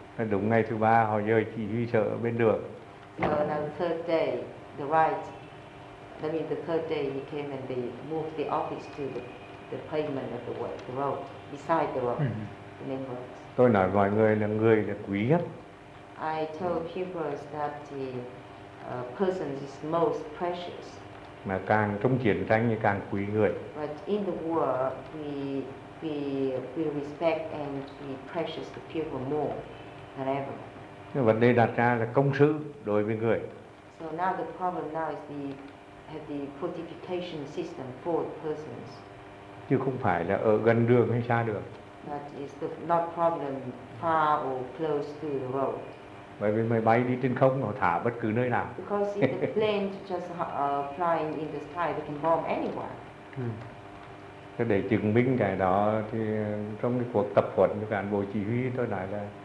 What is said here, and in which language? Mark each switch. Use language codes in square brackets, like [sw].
[vi] Đúng ngày thứ ba họ dời chỉ huy sở ở bên đường. [en] So now the third day, the right, I mean the third day he came and they moved the office to the pavement of the road, beside the road, the main road. [vi] Tôi nói mọi người là quý nhất. [en] I told pupils that the person is most precious. [vi] Mà càng trong chiến tranh thì càng quý người. [en] But in the war, we respect and we precious the people more than ever. [vi] Vấn đề đặt ra là công sự đối với người. [en] So now the problem now is we have the fortification system for persons. [vi] chứ không phải là ở gần đường hay xa đường. [en] That is the not problem far or close to the road. [vi] Bởi vì máy bay đi trên không họ thả bất cứ nơi nào. [en] Because if the plane just flying in the sky, they can bomb anywhere. [vi] Thế để chứng minh cái đó thì trong cái cuộc tập huấn cho cán bộ chỉ huy tôi nói là